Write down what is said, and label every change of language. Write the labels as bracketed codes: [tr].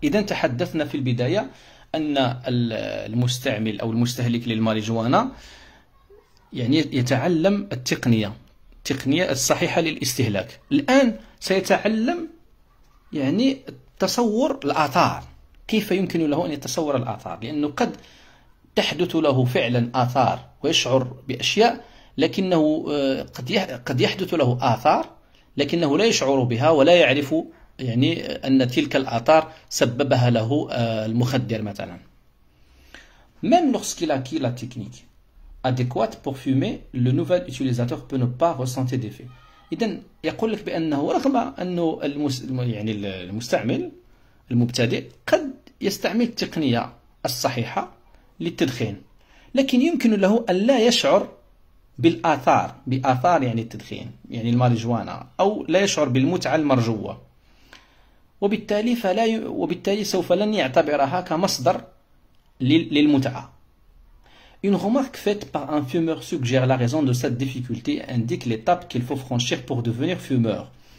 [ar] إذا تحدثنا في البداية أن المستعمل أو المستهلك للماريجوانا يعني يتعلم التقنية الصحيحة للاستهلاك، الآن سيتعلم يعني تصور الآثار، كيف يمكن له أن يتصور الآثار، لأنه قد تحدث له فعلا آثار ويشعر بأشياء، لكنه قد يحدث له آثار لكنه لا يشعر بها ولا يعرف يعني أن تلك الآثار سببها له المخدر مثلا. [fr] Même lorsqu'il acquiert la technique adéquate pour fumer, le nouvel utilisateur peut ne pas ressentir d'effet. [ar] إذن يقول لك بأنه رغم أنه يعني المستعمل المبتدئ قد يستعمل التقنية الصحيحة للتدخين، لكن يمكن له أن لا يشعر بالآثار، بآثار يعني التدخين يعني الماريجوانا، أو لا يشعر بالمتعة المرجوة، وبالتالي سوف لن يعتبرها كمصدر للمتعة. [fr] Une remarque faite par un fumeur suggère la raison de cette difficulté et indique l'étape qu'il faut franchir pour devenir fumeur.